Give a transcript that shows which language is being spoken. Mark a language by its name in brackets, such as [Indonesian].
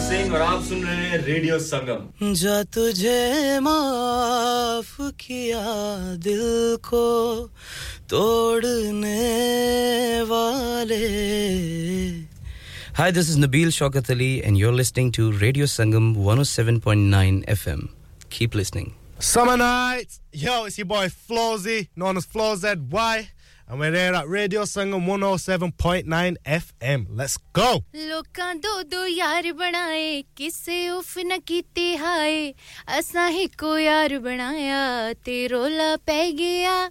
[Hindi] जा तुझे माफ किया दिल को तोड़ने वाले [English] Hi, this is Nabeel Shaukat Ali and you're listening to Radio Sangam 107.9 FM. Keep listening. Summer nights! Yo, it's your boy Flozy, known as FloZY, and we're here at Radio Sangam 107.9 FM. Let's go! [Punjabi] ਲੋਕਾਂ ਦੋ ਦੋ ਯਾਰ ਬਣਾਏ ਕਿਸੇ ਉਫ ਨ ਕੀਤੀ ਹਾਏ ਅਸਾਂ ਹੀ ਕੋ ਯਾਰ ਬਣਾਇਆ ਤੇ ਰੋਲਾ ਪੈ ਗਿਆ